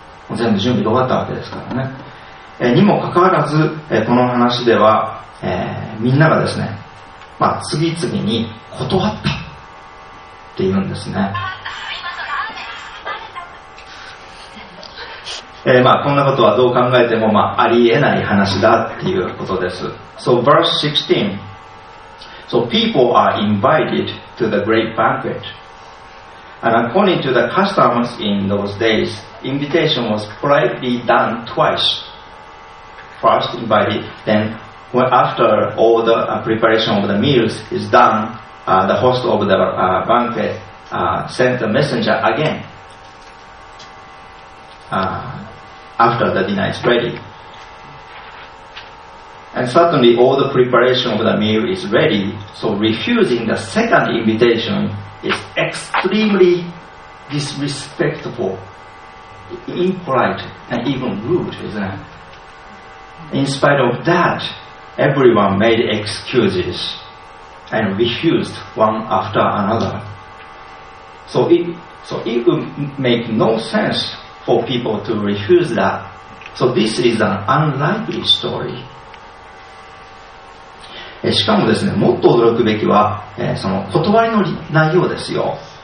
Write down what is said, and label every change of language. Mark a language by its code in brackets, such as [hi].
[ja] もう全部準備が終わったわけですからね。にもかかわらず、この話では、みんながですね、まあ、次々に断ったっていうんですね。まあ、こんなことはどう考えても、まあ、ありえない話だっていうことです。 [en] So verse 16 So people are invited to the great banquetAnd according to the customs in those days, invitation was politely done twice. First invited, then after all the preparation of the meals is done, the host of the banquet sent a messenger again after the dinner is ready. And suddenly all the preparation of the meal is ready, so refusing the second invitation,is extremely disrespectful, impolite, and even rude, isn't it? In spite of that, everyone made excuses and refused one after another. So it would make no sense for people to refuse that. So this is an unlikely story. [ja] しかもですね、もっと驚くべきは、その断りの内容ですよ。